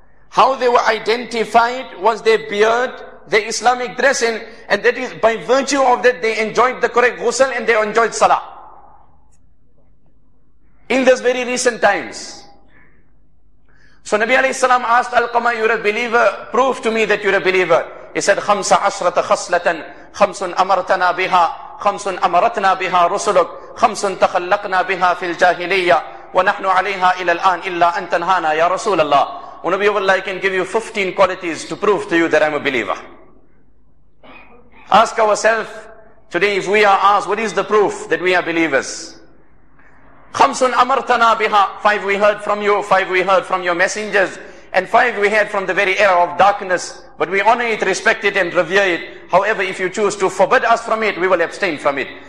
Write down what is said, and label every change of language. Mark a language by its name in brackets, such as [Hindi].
[English] How they were identified was their beard, their Islamic dressing, and that is by virtue of that they enjoyed the correct ghusl and they enjoyed salah. In this very recent times. So Nabi alayhi salam asked Alqama, you're a believer, prove to me that you're a believer. [Arabic] He said, خَمْسَ عَشْرَةَ خَصْلَةً خَمْسٌ أَمَرْتَنَا بِهَا خَمْسٌ أَمَرَتْنَا بِهَا رُسُلُكَ خَمْسٌ تَخَلَّقْنَا بِهَا فِي الْجَاهِلِيَّةِ وَنَحْنُ عَلَيْهَا إِلَى الْآنِ إِلَّا أَن تَنْهَانَا يَا رَسُولَ اللَّهِ. [English] O Nabi of Allah, I can give you 15 qualities to prove to you that I'm a believer. Ask ourselves today, if we are asked, what is the proof that we are believers? [Arabic] خَمْسٌ أَمَرْتَنَا بِهَا. [English] 5 we heard from you, 5 we heard from your messengers, and 5 we heard from the very era of darkness. But we honor it, respect it, and revere it. However, if you choose to forbid us from it, we will abstain from it.